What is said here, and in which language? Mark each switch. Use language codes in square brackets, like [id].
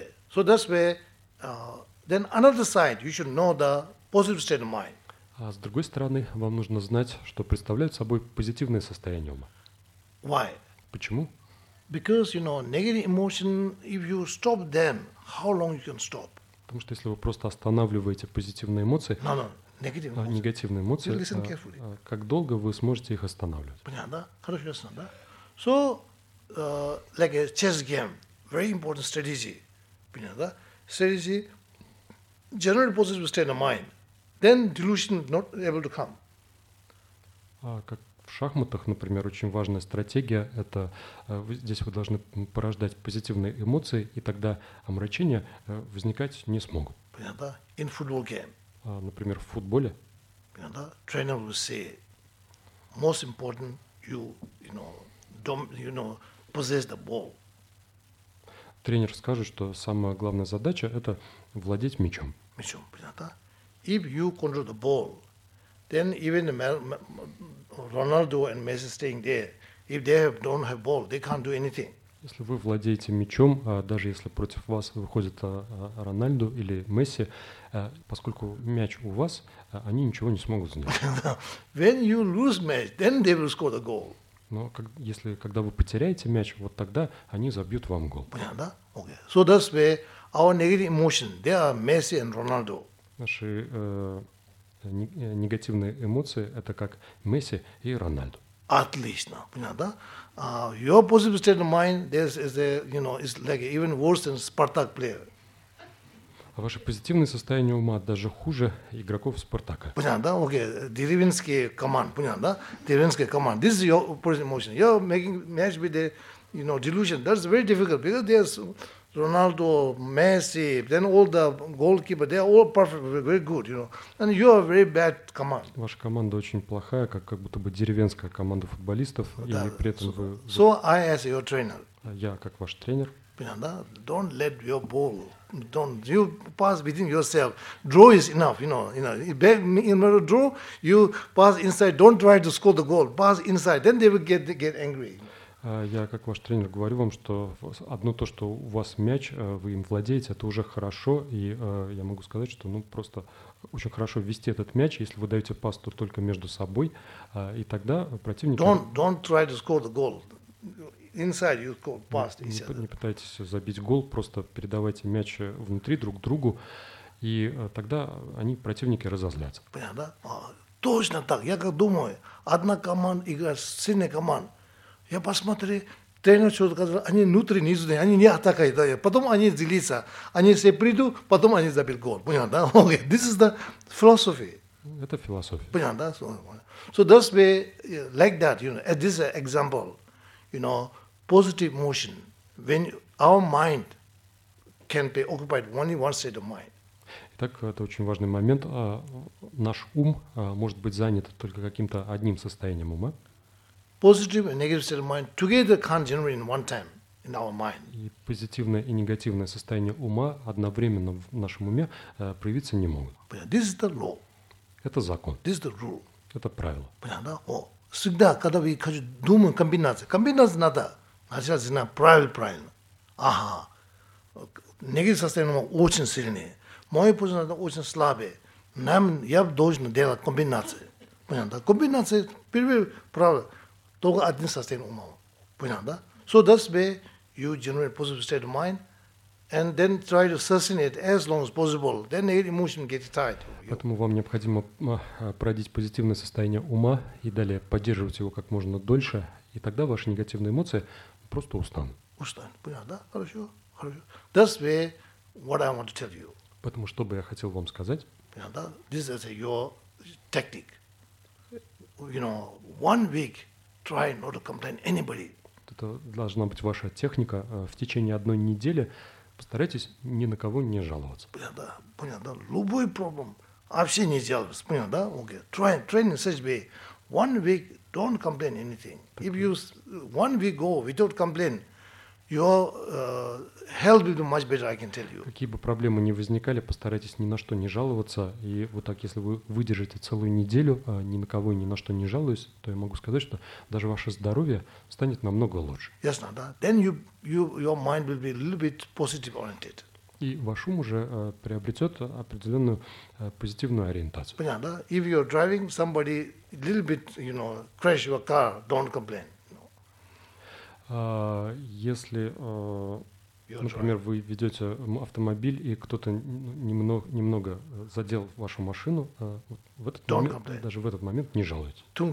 [en] So that's where, then another side, you should know the positive state of mind. [ru] А с другой стороны, вам нужно знать, что представляет собой позитивное состояние ума. [en] Why? [ru] Почему? [en] Because, you know, negative emotion, if you stop them, how long you can stop? [ru] Потому что если вы просто останавливаете позитивные эмоции, негативные эмоции, как долго вы сможете их останавливать? Понятно, да? Хорошо, ясно, да? [en] So, like a chess game, very important strategy. [ru] Понятно, да? [en] Strategy, generally positive state of mind. Then delusion not able to come. [ru] Как в шахматах, например, очень важная стратегия – это здесь вы должны порождать позитивные эмоции, и тогда омрачения возникать не смогут. Понятно? [en] In football game. [ru] Например, в футболе. Понятно? [en] Trainer will say, most important you know possess the ball. [ru] тренер скажет, что самая главная задача – это владеть мячом. Мячом, понятно? [en] If you control the ball, then even Ronaldo and Messi staying there, if they have, don't have ball, they can't do anything. [ru] Если вы владеете мячом, даже если против вас выходит Рональду или Месси, поскольку мяч у вас, они ничего не смогут сделать. [en] When you lose match, then they will score the goal. [ru] Но если когда вы потеряете мяч, вот тогда они забьют вам гол. Понятно, да? Okay. [en] So that's where our negative emotions, they are Messi and Ronaldo. [ru] Наши негативные эмоции – это как Месси и Рональду. Отлично, понятно, да? [en] Your positive state of mind, this is a, you know, is like even worse than Spartak player. [ru] А ваше позитивное состояние ума даже хуже игроков Спартака. Понятно, да? Окей, деревенские команды, понятно, да? Деревенские команды. [en] This is your positive emotion. You're making match with the, you know, delusion. That's very difficult because there's Ronaldo, Messi, then all the goalkeepers, they're all perfect, very good, you know. And you're a very bad [ru] команда. Ваша команда очень плохая, как будто бы деревенская команда футболистов. Да. И при этом вы... [en] So I as your trainer. [ru] Я как ваш тренер. Понятно, да? [en] Don't let your ball... Don't you pass within yourself. Draw is enough, you know. In order to draw, you pass inside. Don't try to score the goal. Pass inside. Then they will get angry. [ru] Я как ваш тренер говорю вам, что одно то, что у вас мяч, вы им владеете, это уже хорошо. И я могу сказать, что просто очень хорошо ввести этот мяч, если вы даете пас то только между собой, и тогда противник. [en] Don't try to score the goal. Inside you go past. [ru] Не пытайтесь забить гол, просто передавайте мяч внутри друг другу, и тогда они, противники, разозлятся. Понятно, да? Точно так. Я как думаю, одна команда играет, сильная команда. Я посмотрел, тренер что-то сказал, они внутри, не изнутри, они не атакают, да, потом они делятся, они все придут, потом они забьют гол. Понятно, да? [en] Okay. This is the philosophy. [ru] Это философия. Понятно, да? [en] So that's way, like that, you know, this is an example. You know, positive motion, when our mind can be occupied only one state of mind. [ru] Итак, это очень важный момент. Наш ум может быть занят только каким-то одним состоянием ума. [en] Positive and negative state of mind together can't generate in one time in our mind. [ru] И позитивное и негативное состояние ума одновременно в нашем уме проявиться не могут. [en] This is the law. [ru] Это закон. [en] This is the rule. [ru] Это правило. Понятно? О. Всегда, когда вы думаете о комбинации, комбинация надо, а сейчас знаю, правильно. Ага, негативное состояние очень сильное, мое позиция очень слабое, нам я должен делать комбинацию. Понятно? Комбинация, первое правило, только один состояние ума. Понятно, да? [en] So that's where you generate positive state of mind. And then try to sustain it as long as possible. Then the emotion gets tight. [ru] Поэтому вам необходимо пройдить позитивное состояние ума и далее поддерживать его как можно дольше, и тогда ваши негативные эмоции просто устанут. Устанут, понятно, да? Хорошо. [en] That's where what I want to tell you. [ru] Поэтому что бы я хотел вам сказать? Понятно, да? [en] This is your tactic. You know, one week try not to complain anybody. [ru] Это должна быть ваша техника в течение одной недели. Постарайтесь ни на кого не жаловаться. Понятно, да. Любой проблем вообще не жаловаться. Понятно, да? Окей. [en] Okay. Training such way. One week don't complain anything. Так if you one week go without complain, your health will be much better, I can tell you. [ru] Какие бы проблемы ни возникали, постарайтесь ни на что не жаловаться. И вот так, если вы выдержите целую неделю, ни на кого и ни на что не жалуюсь, то я могу сказать, что даже ваше здоровье станет намного лучше. Ясно, да? [en] Then your mind will be a little bit positive oriented. [ru] И ваш ум уже приобретет определенную позитивную ориентацию. Понятно, да? [en] If you're driving somebody a little bit, you know, crash your car, don't complain. [ru] Если, например, вы ведете автомобиль, и кто-то немного задел вашу машину, в этот момент, даже в этот момент не жалуйтесь.